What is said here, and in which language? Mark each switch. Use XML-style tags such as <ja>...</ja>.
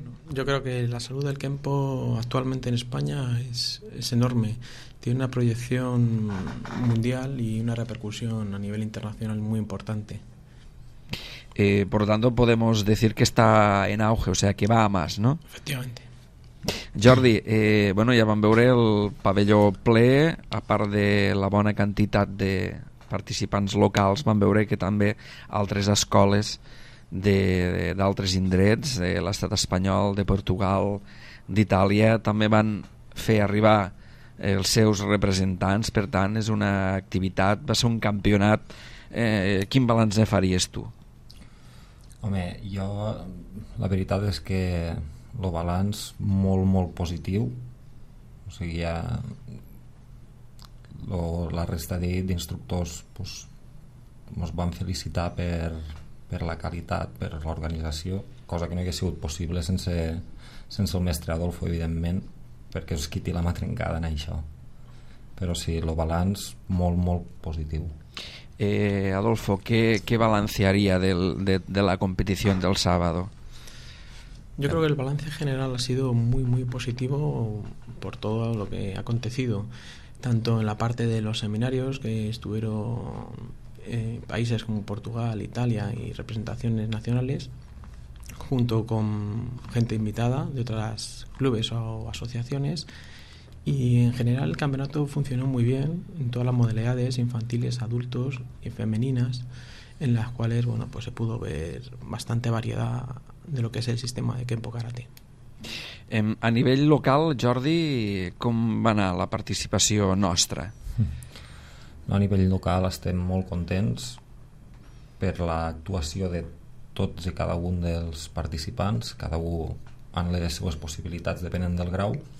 <es>Yo creo que la salud del Kenpo actualmente en España es enorme. Tiene una proyección mundial y una repercusión a nivel internacional muy importante. Por lo tanto, podemos decir que está en auge, o sea, que va a más, ¿no? Efectivamente.</es> <ca>Jordi, ja vam veure el pavelló ple, a part de la bona quantitat de participants locals, van veure que també altres escoles d'altres indrets, de l'estat espanyol, de Portugal, d'Itàlia, també van fer arribar els seus representants. Per tant, és una activitat, va ser un campionat. Quin balanç faries tu? Home, jo la veritat és que el balanç molt, molt positiu. O sigui, ja la resta d'instructors ens van felicitar per la qualitat, per l'organització, cosa que no hagués sigut possible sense el mestre Adolfo, evidentment, perquè és qui té la mà trencada en això. Però sí, el balanç molt, molt positiu. Adolfo, què balancearia de la competició del sábado?</ca> <es>Yo creo que el balance general ha sido muy, muy positivo por todo lo que ha acontecido. Tanto en la parte de los seminarios, que estuvieron países como Portugal, Italia y representaciones nacionales, junto con gente invitada de otros clubes o asociaciones. Y en general el campeonato funcionó muy bien en todas las modalidades infantiles, adultos y femeninas, en las cuales se pudo ver bastante variedad de lo que es el sistema de Kenpo Karate.</es> <ca>A nivell local, Jordi, com va anar la participació nostra? No, a nivell local estem molt contents per l'actuació de tots i cada un dels participants, cada un en les seues possibilitats, depenent del grau.</ca>